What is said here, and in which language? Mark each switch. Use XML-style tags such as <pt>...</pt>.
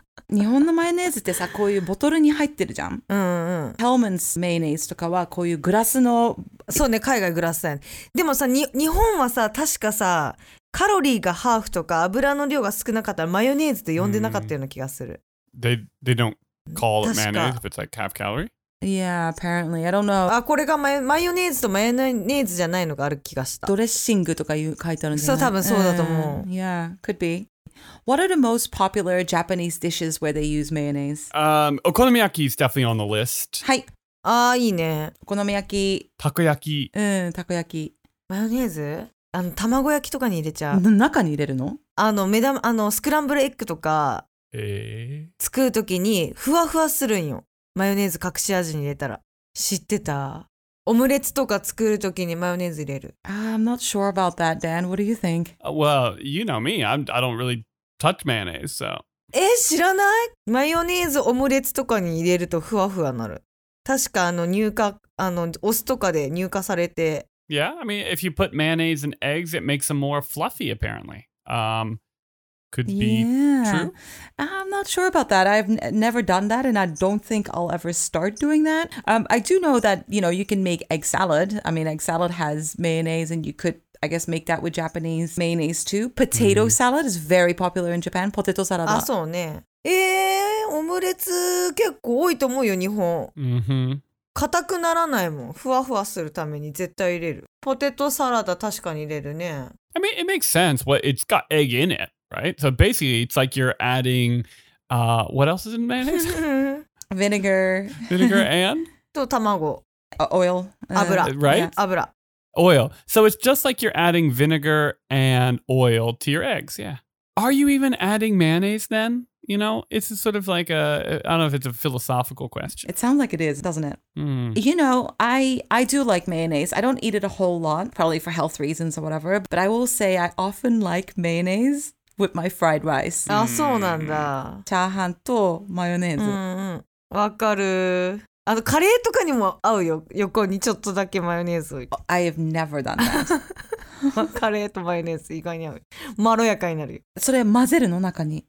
<ja>日本のマヨネーズってさ、こういうボトルに入ってるじゃん。うんうん。 Hellmann's mayonnaise とかはこういうグラスの。そうね、海外グラスだよね。でもさ、日本はさ、確かさ、カロリーがハーフとか油の量が少なかったらマヨネーズって呼んでなかったような気がする。 Mm.</ja> <en>They don't call it mayonnaise if it's like half calorie? Yeah, apparently. I don't know.</en> <ja>あ、これがマヨネーズとマヨネーズじゃないのがある気がした。ドレッシングとかいう書いてあるんじゃない？そう、多分そうだと思う。</ja> <en>Yeah, could be. What are the most popular Japanese dishes where they use mayonnaise? Okonomiyaki is definitely on the list.</en> <ja>はい。ああ、いいね。お好み焼き。たこ焼き。うん、たこ焼き。マヨネーズ？あの、卵焼きとかに入れちゃう。中に入れるの？あの、目玉、あの、スクランブルエッグとか、作るときにふわふわするんよ。マヨネーズ隠し味に入れたら。知ってた？オムレツとか作るときにマヨネーズ入れる。</ja> <en>I'm not sure about that, Dan. What do you think? Well, you know me. I don't really touch mayonnaise, so.</en> <ja>知らない？マヨネーズオムレツとかに入れるとふわふわなる。確かあの乳化、あのお酢とかで乳化されて。</ja> <en>Yeah, I mean, if you put mayonnaise and eggs, it makes them more fluffy, apparently. Could be yeah. true. I'm not sure about that. I've never done that, and I don't think I'll ever start doing that. I do know that, you know, you can make egg salad. I mean, egg salad has mayonnaise, and you could, I guess, make that with Japanese mayonnaise too. Potato、mm-hmm. salad is very popular in Japan. Potato salad.</en> <ja>あ、そうね。オムレツ結構多いと思うよ、日本。 Mm-hmm. 固くならないもん。ふわふわするために絶対入れる。ポテトサラダ確かに入れるね。</ja> <en>I mean, it makes sense, but it's got egg in it. Right? So basically, it's like you're adding, what else is in mayonnaise? Vinegar. Vinegar and?</en> <ja>と卵。</ja> <en>Oil.</en> <ja>油。</ja> <en>Right? Yeah, 油。 Oil. So it's just like you're adding vinegar and oil to your eggs, yeah. Are you even adding mayonnaise then? You know, it's sort of like a, I don't know if it's a philosophical question. It sounds like it is, doesn't it?、 Mm. You know, I do like mayonnaise. I don't eat it a whole lot, probably for health reasons or whatever. But I will say I often like mayonnaise. With my fried rice.</en> <ja>あ、そうなんだ。チャーハンとマヨネーズ。うんうん。わかる。あのカレーとかにも合うよ。横にちょっとだけマヨネーズ。</ja> <en>I have never done that.</en> <ja>カレーとマヨネーズ意外に合う。まろやかになるよ。それ混ぜるの中に。</ja>